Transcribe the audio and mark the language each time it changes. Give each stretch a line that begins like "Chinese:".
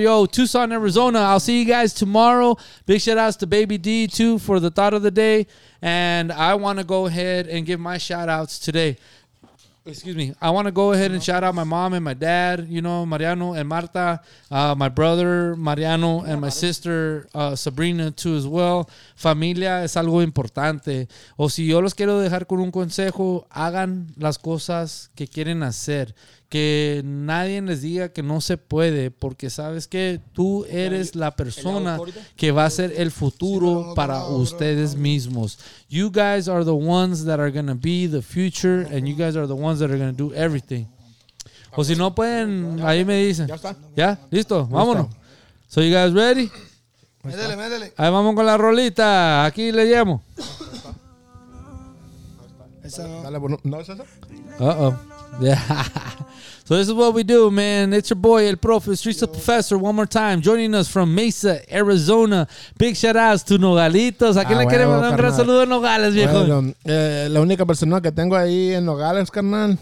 English: Yo, Tucson, Arizona. I'll see you guys tomorrow. Big shout outs to Baby D too for the thought of the day. And I want to go ahead and give my shout outs today. Excuse me. I want to go ahead and shout out my mom and my dad, you know, Mariano and Marta, my brother Mariano and my sister Sabrina too as well.
Spanish: Familia es algo importante. O si yo los quiero dejar con un consejo, hagan las cosas que quieren hacer. Que nadie les diga que no se puede, porque sabes que tú eres la persona que va a ser el futuro para ustedes mismos.
English: You guys are the ones that are going to be the future, and you guys are the ones that are going to do everything.
Spanish: O si no pueden, ahí me dicen. ¿Ya está? ¿Ya? ¿Listo? Vámonos.
English: So you guys ready?
Spanish: Médele, médele. Ahí vamos con la rolita. Aquí le llamo. Esa no.
English: Uh-oh. Yeah. So this is what we do, man. It's your boy, El Profe, Streetz the Professor, one more time, joining us from Mesa, Arizona. Big shout-outs to Nogalitos.
Spanish: ¿A quién le queremos dar un gran saludo a Nogales, viejo? Bueno, la única persona que tengo ahí en Nogales, carnal.